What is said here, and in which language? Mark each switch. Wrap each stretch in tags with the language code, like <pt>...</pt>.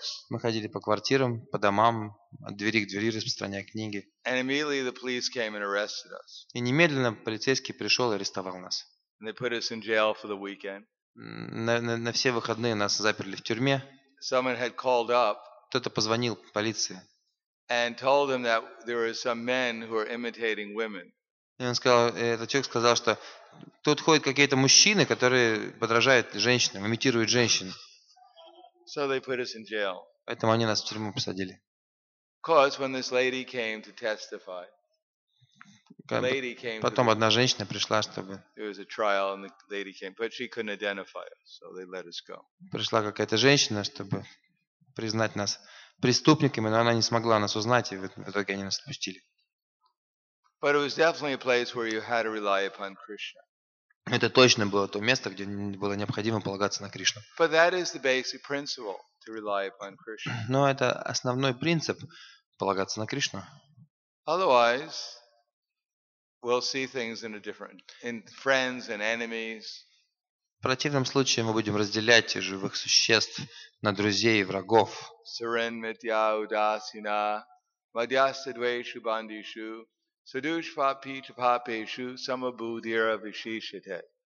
<ru>Мы ходили по квартирам, по домам, от двери к двери, распространяя книги.</ru> <en>And immediately the police came and arrested us.</en> <ru>И немедленно полицейский пришел и арестовал нас.</ru> <en>And they put us in jail for the weekend.</en> <ru>На все выходные нас заперли в тюрьме.</ru> <en>Someone had called up.</en> <ru>Кто-то позвонил полиции.</ru> <en>And told them that there were some men who are imitating women.</en> <ru>И он сказал, этот человек сказал, что тут ходят какие-то мужчины, которые подражают женщинам, имитируют женщин.</ru> <en>So they put us in jail.</en> <ru>Поэтому они нас в тюрьму посадили.</ru> <en>Because when this lady came to testify,</en> <ru>потом одна женщина пришла, чтобы.</ru> <en>There was a trial, and the lady came, but she couldn't identify us, so they let us go.</en> <ru>Пришла какая-то женщина, чтобы признать нас преступниками, но она не смогла нас узнать, и в итоге они нас отпустили.</ru> <en>But it was definitely a place where you had to rely upon Krishna.</en> <ru>Это точно было то место, где было необходимо полагаться на Кришну.</ru> <en>But that is the basic principle to rely upon Krishna.</en> <ru>Но это основной принцип полагаться на Кришну.</ru> <en>Otherwise, we'll see things in a different, in friends and enemies.</en> <ru>В противном случае мы будем разделять живых существ на друзей и врагов.</ru> <sa>Сирен митья удасина мадьясадвейшу бандишу садушвапичапапешу самабудира вишишите.</sa>